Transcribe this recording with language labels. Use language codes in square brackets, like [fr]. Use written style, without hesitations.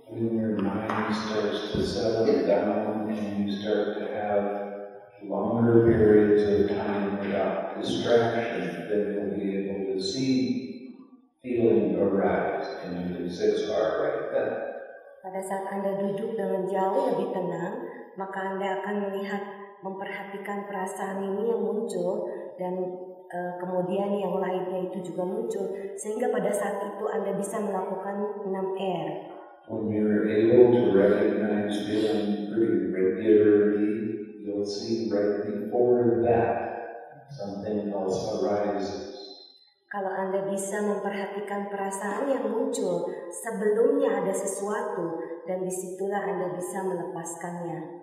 [en] When your mind starts to settle down and you start to have longer periods of time without distraction, then you'll be able to see feeling arise in the sixth heart rate. [id] Pada saat Anda duduk dengan jauh lebih tenang, maka Anda akan melihat, memperhatikan perasaan ini yang muncul, dan kemudian yang lainnya itu juga muncul, sehingga pada saat itu Anda bisa melakukan 6R. [en] When you're able to recognize feeling pretty regularly, you'll see right before that something else arises. [id] Kalau Anda bisa memperhatikan perasaan yang muncul, sebelumnya ada sesuatu, dan disitulah Anda bisa melepaskannya.